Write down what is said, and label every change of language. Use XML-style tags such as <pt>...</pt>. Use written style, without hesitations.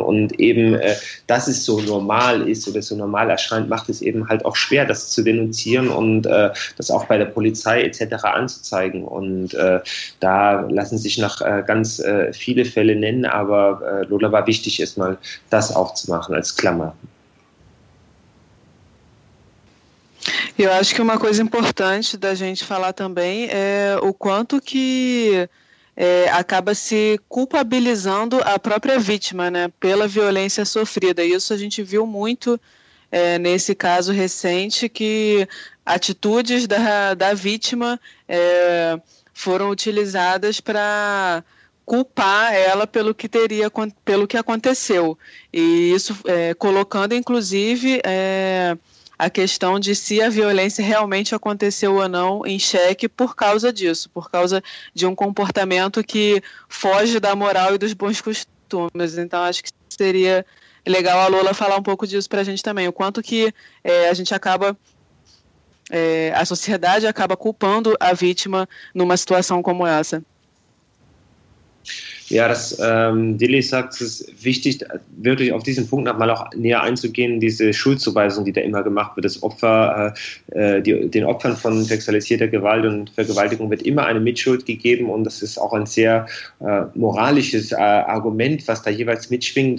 <de>Und eben, dass es so normal ist oder so normal erscheint, macht es eben halt auch schwer, das zu denunzieren und das auch bei der Polizei etc. anzuzeigen. Und da lassen sich noch ganz viele Fälle nennen, aber Lola, war wichtig, erstmal das aufzumachen als Klammer.</de> <pt>Eu acho que uma coisa importante da gente falar também é o quanto que acaba se culpabilizando a própria vítima, né, pela violência sofrida. Isso a gente viu muito nesse caso recente, que atitudes da vítima foram utilizadas para culpar ela pelo que aconteceu. E isso colocando, inclusive, a questão de se a violência realmente aconteceu ou não em xeque por causa disso, por causa de um comportamento que foge da moral e dos bons costumes. Então, acho que seria legal a Lola falar um pouco disso para a gente também. O quanto que a gente acaba, a sociedade acaba culpando a vítima numa situação como essa.</pt> <de>Ja, das Dilly sagt, es ist wichtig, wirklich auf diesen Punkt nochmal auch näher einzugehen, diese Schuldzuweisung, die da immer gemacht wird. Das Opfer, den Opfern von sexualisierter Gewalt und Vergewaltigung wird immer eine Mitschuld gegeben, und das ist auch ein sehr moralisches Argument, was da jeweils mitschwingt.</de>